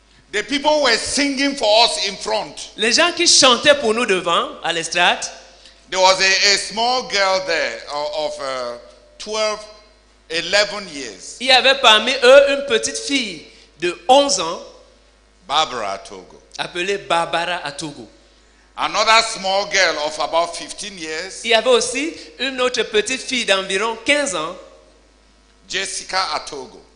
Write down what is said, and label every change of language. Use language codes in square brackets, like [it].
[en] The people were singing for us in front. [fr] Les gens qui chantaient pour nous devant à l'estrade. [en] There was a small girl there of 12, 11 years. [fr] Il y avait parmi eux une petite fille de 11 ans. [en] Barbara Atogo. [fr] Appelée Barbara Atogo. [en] Another small girl of about 15 years. [fr] Il y avait aussi une autre petite fille d'environ 15 ans. [en] Jessica Atogo.